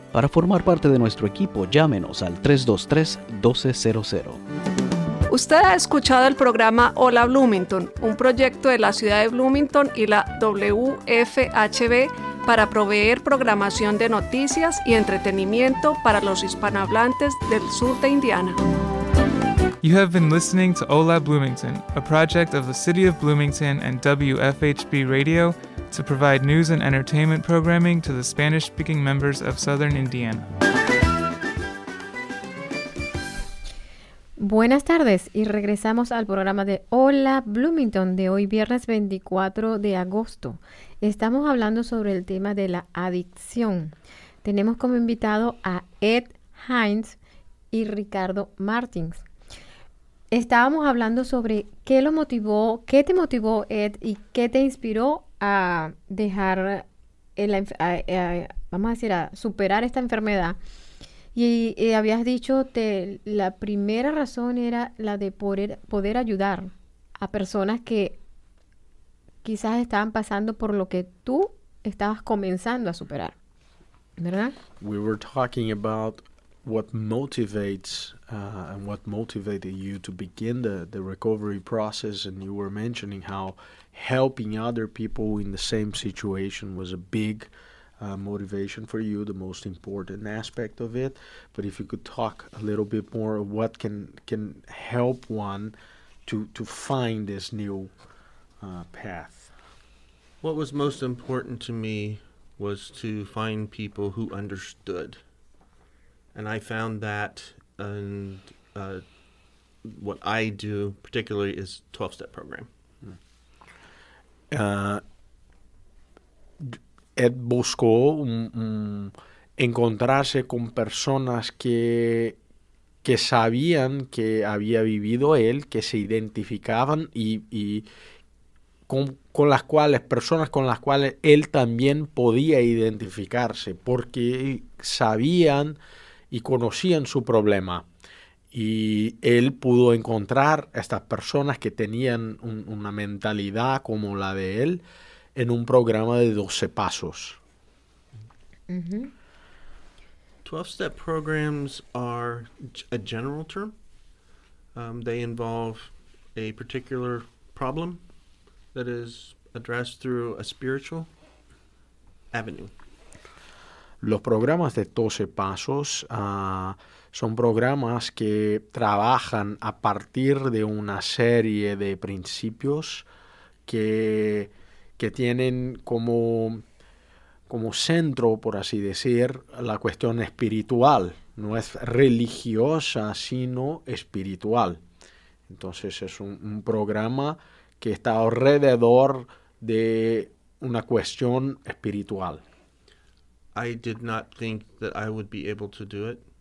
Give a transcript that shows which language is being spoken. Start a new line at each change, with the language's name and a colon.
Spanish: Para formar parte de nuestro equipo, llámenos al 323-1200. Usted ha escuchado el programa Hola Bloomington, un proyecto de la ciudad de Bloomington y la WFHB para proveer programación de noticias y entretenimiento para los hispanohablantes del sur de Indiana.
English: You have been listening to Hola Bloomington, a project of the City of Bloomington and WFHB Radio to provide news and entertainment programming to the Spanish-speaking members of Southern Indiana.
Spanish: Buenas tardes y regresamos al programa de Hola Bloomington de hoy viernes 24 de agosto. Estamos hablando sobre el tema de la adicción. Tenemos como invitado a Ed Hines y Ricardo Martins. Estábamos hablando sobre qué lo motivó, qué te motivó, Ed, y qué te inspiró a dejar, a superar esta enfermedad. Y habías dicho, la primera razón era la de poder ayudar. a personas que quizás estaban pasando por lo que tú estabas comenzando a superar, ¿verdad?
English: We were talking about what motivates and what motivated you to begin the recovery process, and you were mentioning how helping other people in the same situation was a big motivation for you, the most important aspect of it. But if you could talk a little bit more of what can help one to find this new path. What was most important to me was to find people who understood. And I found that in what I do particularly is 12-step program.
Spanish: Ed buscó encontrarse con personas que sabían que había vivido él, que se identificaban y con las cuales, personas con las cuales él también podía identificarse, porque sabían y conocían su problema. Y él pudo encontrar estas personas que tenían una mentalidad como la de él en un programa de 12 pasos.
English: Mm-hmm. 12-step programs are a general term. They involve a particular problem that is addressed through a spiritual avenue.
Spanish: Los programas de 12 pasos son programas que trabajan a partir de una serie de principios que tienen como centro, por así decir, la cuestión espiritual. No es religiosa, sino espiritual. Entonces es un programa que está alrededor de una cuestión espiritual.
English: I did not think that I would be able to do it.